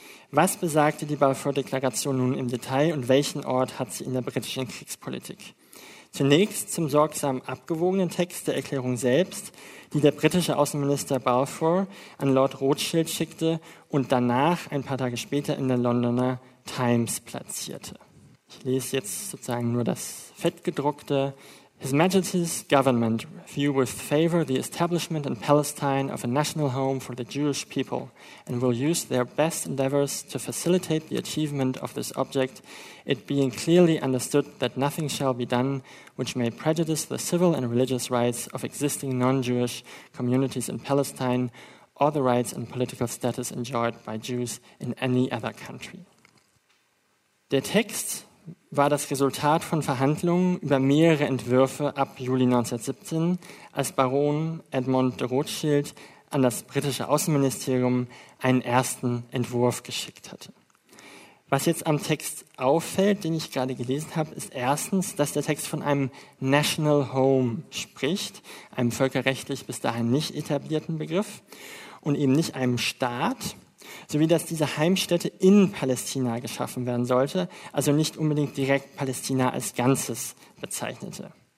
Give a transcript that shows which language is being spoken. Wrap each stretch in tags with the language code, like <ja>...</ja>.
<de>Was besagte die Balfour-Deklaration nun im Detail und welchen Ort hat sie in der britischen Kriegspolitik? Zunächst zum sorgsam abgewogenen Text der Erklärung selbst, die der britische Außenminister Balfour an Lord Rothschild schickte und danach ein paar Tage später in der Londoner Times platzierte. Ich lese jetzt sozusagen nur das fettgedruckte.</de> <en>His Majesty's Government view with favor the establishment in Palestine of a national home for the Jewish people and will use their best endeavors to facilitate the achievement of this object, it being clearly understood that nothing shall be done which may prejudice the civil and religious rights of existing non-Jewish communities in Palestine or the rights and political status enjoyed by Jews in any other country.</en> <de>Der Text war das Resultat von Verhandlungen über mehrere Entwürfe ab Juli 1917, als Baron Edmund de Rothschild an das britische Außenministerium einen ersten Entwurf geschickt hatte. Was jetzt am Text auffällt, den ich gerade gelesen habe, ist erstens, dass der Text von einem National Home spricht, einem völkerrechtlich bis dahin nicht etablierten Begriff, und eben nicht einem Staat, sowie dass diese Heimstätte in Palästina geschaffen werden sollte, also nicht unbedingt direkt Palästina als Ganzes bezeichnete.</de>